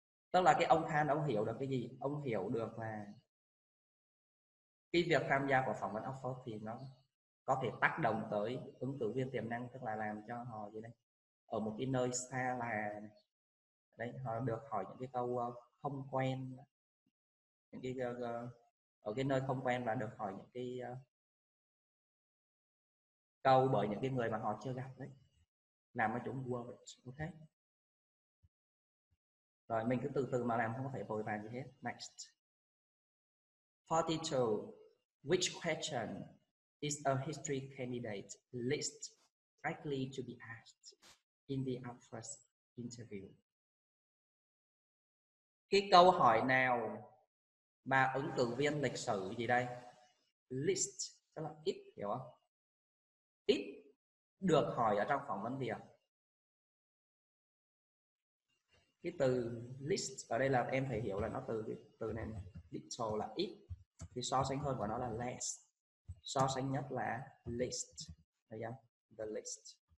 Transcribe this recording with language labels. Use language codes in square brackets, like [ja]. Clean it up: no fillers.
[vi] Tức là cái ông Khan ông hiểu được cái gì? Ông hiểu được là cái việc tham gia của phỏng vấn Oxford thì nó có thể tác động tới ứng cử viên tiềm năng, tức là làm cho họ gì đây ở một cái nơi xa là đấy, họ được hỏi những cái câu không quen, những cái ở cái nơi không quen và được hỏi những cái câu bởi những cái người mà họ chưa gặp đấy, làm cho chúng quên. Ok, rồi mình cứ từ từ mà làm, không có phải vội vàng gì hết. [en] Next. 42. Which question is a history candidate least likely to be asked in the Oxford interview? [vi] Cái câu hỏi nào mà ứng cử viên lịch sử gì đây? Least, tức là ít, hiểu không? Ít được hỏi ở trong phỏng vấn gì ạ? Cái từ list ở đây là em phải hiểu là nó từ từ này, little là ít, thì so sánh hơn của nó là less, so sánh nhất là least, thấy không? The least.